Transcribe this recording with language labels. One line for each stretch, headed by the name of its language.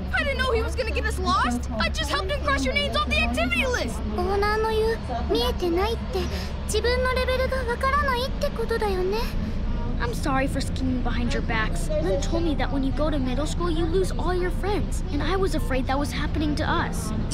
English: I didn't know he was gonna get us lost. I just helped him cross your names off the activity list.
Japanese: Owner の言う見えてないって自分のレベルがわからないってことだよね。
English: I'm sorry for skinning behind your backs. Lynn told me that when you go to middle school, you lose all your friends. And I was afraid that was happening to us.